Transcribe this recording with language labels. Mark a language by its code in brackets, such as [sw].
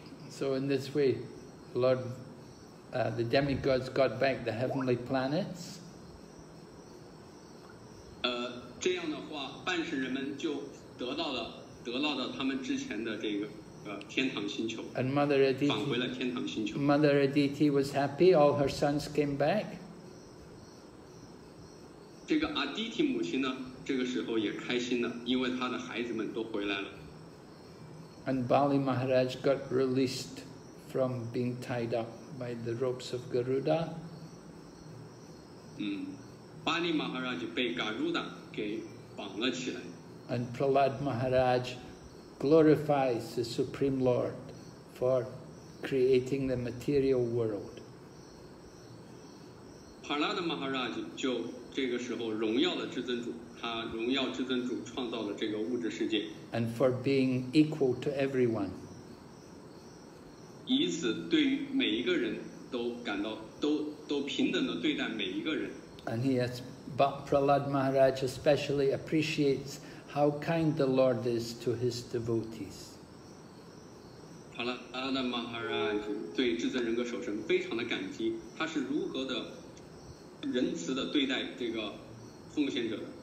[en] So in this way, the demigods got back the heavenly planets. [zh] 这样的话，半神人们就得到了他们之前的这个天堂星球。 [en] And Mother Aditi [zh] 返回了天堂星球。 [en] Mother Aditi was happy. All her sons came back. [zh] 这个 Aditi 母亲呢，这个时候也开心了，因为她的孩子们都回来了。 [en] And Bali Maharaj got released from being tied up by the ropes of Garuda. [zh] 巴利马哈拉吉被嘎鲁达给绑了起来。 [en] And Prahlad Maharaj glorifies the Supreme Lord for creating the material world. [zh] Prahlad Maharaj 就这个时候荣耀了至尊主，他荣耀至尊主创造了这个物质世界。 [en] And for being equal to everyone. [zh] 以此对于每一个人都感到都平等的对待每一个人。 [en] And he has, Prahlad Maharaj especially appreciates how kind the Lord is to his devotees. [zh] Prahlad Maharaj 对至尊人格守神非常的感激，他是如何的仁慈的对待这个奉献者。